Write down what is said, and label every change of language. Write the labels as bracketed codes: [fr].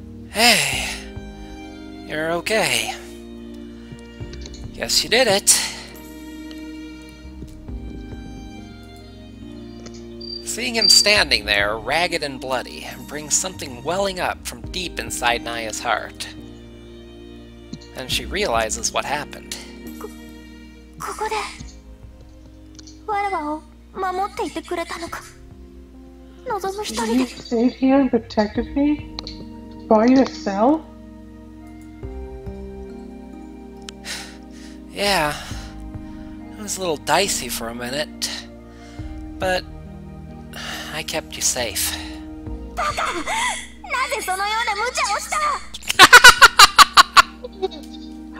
[en] Hey, you're okay. Guess you did it. Seeing him standing there, ragged and bloody, brings something welling up from deep inside Naya's heart. And she realizes what happened. [ja] ここで我々を守っていてくれたのか。望む一人で。 [en] You stayed here and protected me by yourself? Yeah, it was a little dicey for a minute, but I kept you safe. [ja] バカ、なぜそのような無茶をした。